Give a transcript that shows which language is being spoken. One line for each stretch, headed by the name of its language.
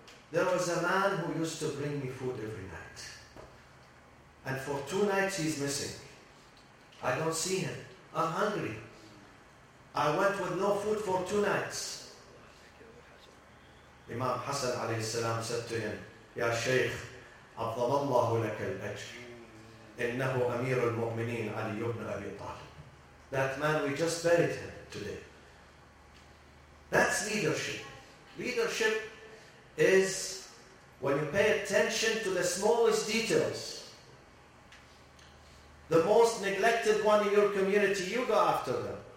English: There was a man who used to bring me food every night. And for two nights he's missing. I don't see him. I'm hungry. I went with no food for two nights. Imam Hassan alayhi salam said to him, Ya Shaykh,
Arabic: أفضل الله لك الأجر. إنه أمير المؤمنين علي بن أبي طالب.
English: That man, we just buried him today. That's leadership. Leadership is when you pay attention to the smallest details. The most neglected one in your community, you go after them.